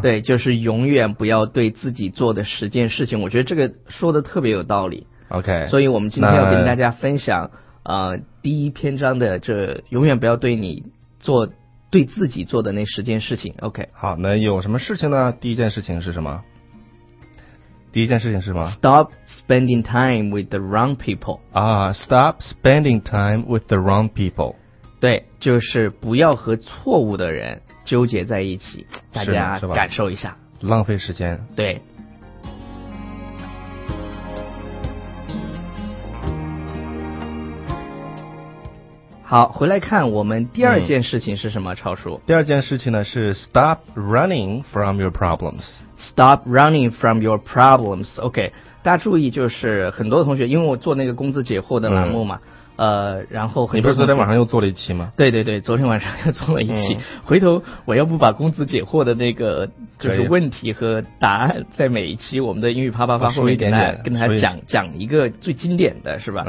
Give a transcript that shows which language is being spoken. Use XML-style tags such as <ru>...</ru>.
<zh>对，就是永远不要对自己做的十件事情，我觉得这个说的特别有道理。 OK。所以我们今天要跟大家分享。第一篇章的这永远不要对你做对自己做的那十件事情 OK 好，那有什么事情呢？第一件事情是什么？第一件事情是什么？</zh> <en>Stop spending time with the wrong people 啊、Stop spending time with the wrong people</en> <zh>对，就是不要和错误的人纠结在一起，大家感受一下，浪费时间。对，好，回来看我们第二件事情是什么，超叔？第二件事情呢是</zh> <en>stop running from your problems. Stop running from your problems.</en> <zh>OK， 大家注意，就是很多同学，因为我做那个工资解惑的栏目嘛，然后你不是昨天晚上又做了一期吗？对对对，昨天晚上又做了一期。回头我要不把工资解惑的那个就是问题和答案，在每一期我们的英语啪啪啪后面跟他讲一个最经典的是吧？</zh>